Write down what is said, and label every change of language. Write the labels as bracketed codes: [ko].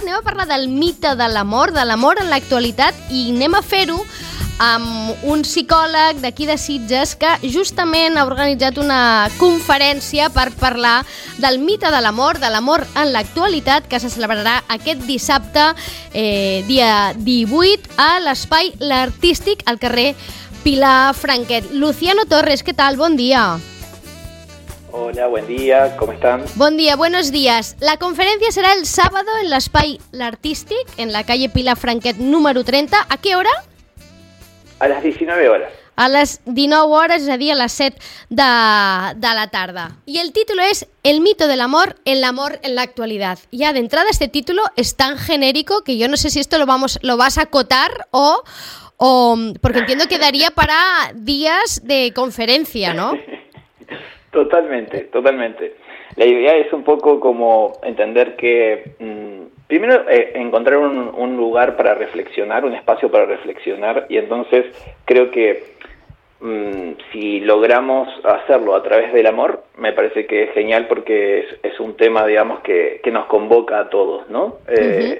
[ca] Anem a parlar del mite de l'amor en l'actualitat, i anem a fer-ho amb un psicòleg d'aquí de Sitges que justament ha organitzat una conferència per parlar del mite de l'amor en l'actualitat, que se celebrarà aquest dissabte, dia 18, a l'Espai L'Artístic, al carrer Pilar Franquet. [es] Luciano Torres, ¿qué tal? Buen día. Hola, buen día, ¿cómo están? Buen día, buenos días. La conferencia será el sábado en l'Espai L'Artístic, en la calle Pilar Franquet número 30. ¿A qué hora? A las 19 horas. [ca] A les 19 hores, és a dir, a les 7 de la tarda. I el títol és El mito de l'amor en l'actualitat. Ja d'entrada, este títol és tan genèrico que jo no sé si [es] esto lo vas a acotar [ca] o... [es] Porque entiendo que daría para días de conferencia, ¿no? Totalmente, totalmente. La idea es un poco como entender que... Primero, encontrar un lugar para reflexionar, un espacio para reflexionar, y entonces creo que si logramos hacerlo a través del amor, me parece que es genial, porque es un tema, digamos, que nos convoca a todos, ¿no? Uh-huh.